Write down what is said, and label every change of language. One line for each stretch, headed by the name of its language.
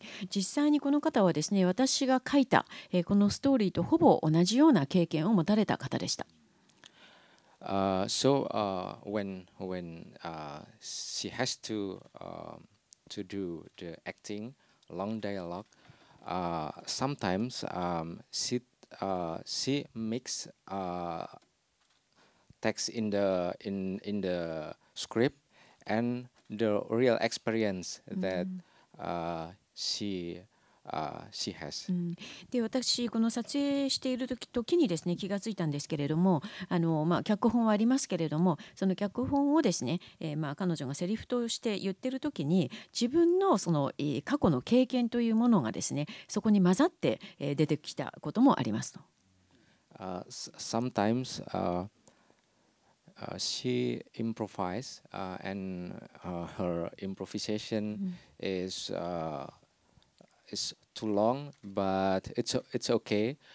Japanese: 実際にこの方はですね、私が書いた、このストーリーとほぼ同じような経験を持たれた方でした。
English: So when she has to do the acting long dialogue, sometimes she makes text in the script and the real experience that she has.
Japanese: で私この撮影している時にですね気がついたんですけれどもまあ脚本はありますけれどもその脚本をですね、まあ彼女がセリフとして言っている時に自分のその過去の経験というものがですねそこに混ざって出てきたこともありますと。
English: Sometimes she improvises and her improvisation is too long, but it's okay.